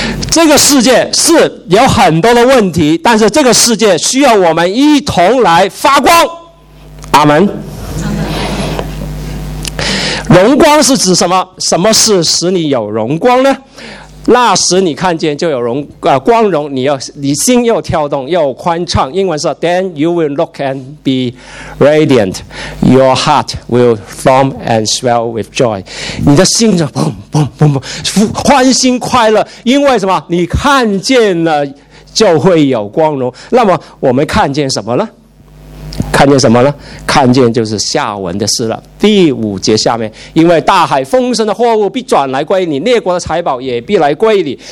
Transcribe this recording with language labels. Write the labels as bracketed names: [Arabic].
[Chinese] 这个世界是有很多的问题，但是这个世界需要我们一同来发光。阿们。荣光是指什么？什么是使你有荣光呢？那时你看见就有荣光荣，你心又跳动又宽敞。英文是 [English] Then you will look and be radiant. Your heart will form and swell with joy. [Chinese] 你的心就砰砰砰砰欢欣快乐，因为什么？你看见了就会有光荣。那么我们看见什么呢？看见什么呢？看见就是下文的事了。第五节下面，因为大海丰盛的货物必转来归你，列国的财宝也必来归你。